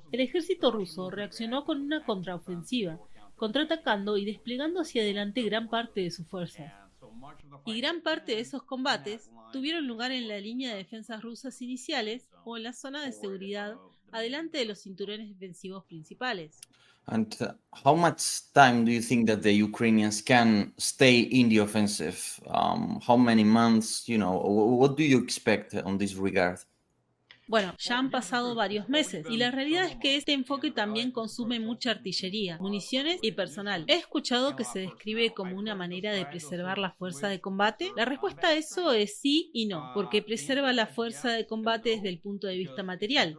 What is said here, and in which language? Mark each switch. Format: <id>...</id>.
<es>El ejército ruso reaccionó con una contraofensiva, contraatacando y desplegando hacia adelante gran parte de sus fuerzas. Y gran parte de esos combates tuvieron lugar en la línea de defensas rusas iniciales o en la zona de seguridad adelante de los cinturones defensivos principales.</es> <en>And how much time do you think that the Ukrainians can stay in the offensive? How many months, you know, what do you expect on this regard?</en> <es>Bueno, ya han pasado varios meses y la realidad es que este enfoque también consume mucha artillería, municiones y personal. He escuchado que se describe como una manera de preservar la fuerza de combate. La respuesta a eso es sí y no, porque preserva la fuerza de combate desde el punto de vista material.</es>